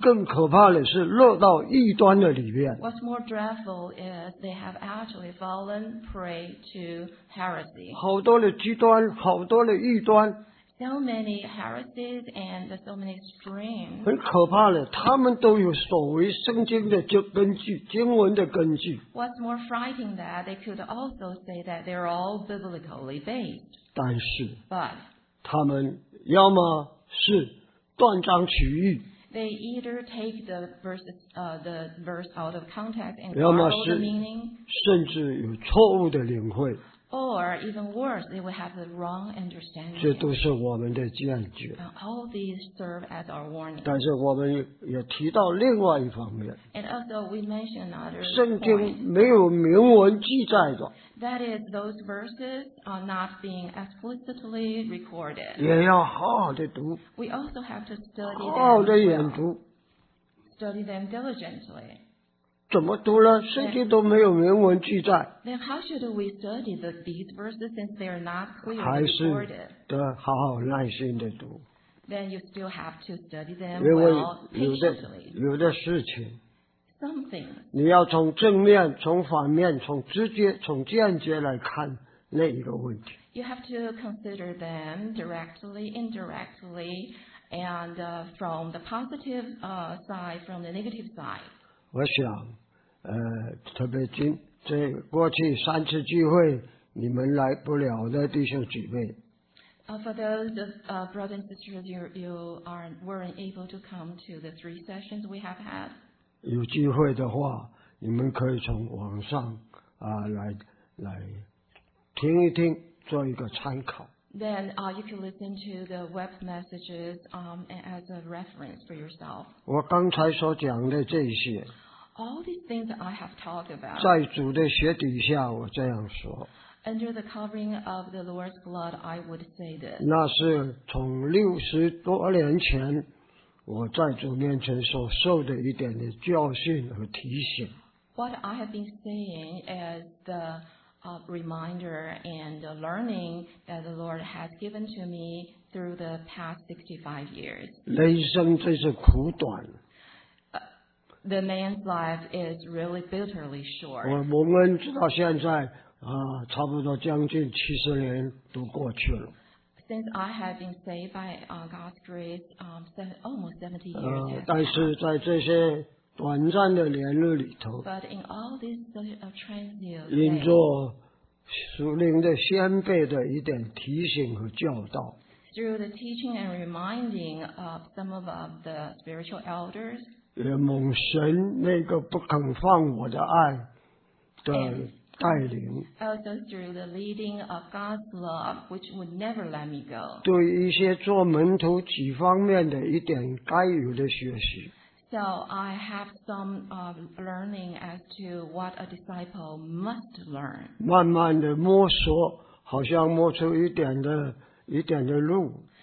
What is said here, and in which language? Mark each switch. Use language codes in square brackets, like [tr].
[zh] 更可怕的是落到异端的里面。 [en] What's more dreadful is they have actually fallen prey to heresy. [zh] 好多的极端，好多的异端。 [en] So many heresies and so many extremes. [zh] 很可怕的，他们都有所谓圣经的根据，经文的根据。 [en] What's more frightening that they could also say that they're all biblically based. [zh] 但是， [en] But, [zh] 他们要么是断章取义。 [en] They either take the verse out of context and borrow the meaning. [zh] 甚至有错误的领会。 [en] Or even worse, they will have the wrong understanding. [zh] 这都是我们的见解。 [en] And all these serve as our warning. [zh] 但是我们 也提到另外一方面。 [en] And also we mention another. [zh] 圣经没有明文记载的。 [en] That is, those verses are not being explicitly recorded. [zh] 也要好好的读。 [en] We also have to study them. [zh] 好好的研读。 [en] Study them diligently. [zh] 怎么读呢？圣经都没有明文记载。 [en] Then how should we study these verses since they are not clearly recorded? [zh] 还是得好好耐心地读。 [en] Then you still have to study them well patiently. [zh] 有的事情。 [en] Something. [zh] 你要从正面、从反面、从直接、从间接来看那一个问题。 [en] You have to consider them directly, indirectly, and from the positive side, from the negative side. [zh] 我想特别今这过去三次聚会你们来不了的弟兄姐妹。 [en] For those brothers and sisters, you weren't able to come to the three sessions we have had. [zh] 有机会的话你们可以从网上来听一听做一个参考。 [en] Then you can listen to the web messages as a reference for yourself. [zh] 我刚才所讲的这些 [en] All these things that I have talked about, [zh] 在主的血底下我这样说 [en] Under the covering of the Lord's blood, I would say this. [zh] 那是从六十多年前我在主面前所受的一点的教训和提醒 [en] What I have been saying is the reminder and the learning that the Lord has given to me through the past 65 years. [zh] 人生真是苦短 [en] The man's life is really bitterly short. [zh] 我蒙恩直到现在差不多将近七十年都过去了。 [en] Since I have been saved by God's grace, almost 70 years. [zh] 但是在这些短暂的年日里头 [en] ，But in all these transient, [zh] 因着属灵的先辈的一点提醒和教导 [en] ，Through the teaching and reminding of some of the spiritual elders. [zh] 也蒙神那个不肯放我的爱的带领 [en] also through the leading of God's love which would never let me go [zh] 对一些做门徒几方面的一点该有的学习 [en] so I have some learning as to what a disciple must learn [zh] 慢慢的摸索好像摸出一点的路